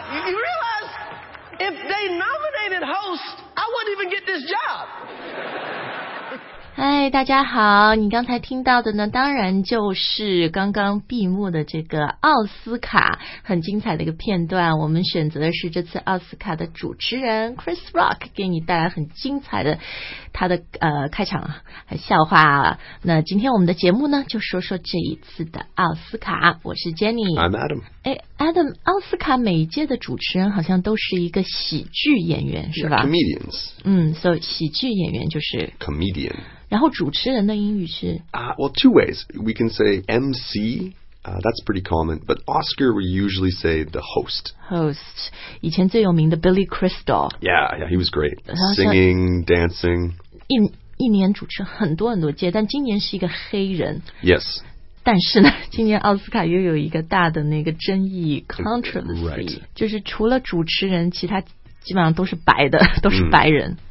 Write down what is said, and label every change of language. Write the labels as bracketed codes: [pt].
[en] You realize if they nominated host, I wouldn't even get this job. [zh] 嗨，大家好，你刚才听到的呢，当然就是刚刚闭幕的这个奥斯卡很精彩的一个片段。我们选择的是这次奥斯卡的主持人 Chris Rock 给你带来很精彩的他的开场笑话。那今天我们的节目呢，就说说这一次的奥斯卡。我是 Jenny。 [en] I'm Adam。 [zh] Adam， 奥斯卡每一届的主持人好像都是一个喜剧演员，是吧？ [en] Comedians。 [zh] So 喜剧演员就是 [en] Comedian。 [zh] 然后主持人的英语是 [en] Well, two ways. We can say MC, that's pretty common, but Oscar, we usually say the host. Host. [zh] 以前最有名的 Billy Crystal. [en] Yeah, he was great. Singing, dancing. [zh] 一年主持很多很多届，但今年是一个黑人。 [en] Yes. [zh] 但是呢，今年奥斯卡又有一个大的那个争议 controversy. [en] Right. [zh] 就是除了主持人，其他基本上都是白的，都是白人。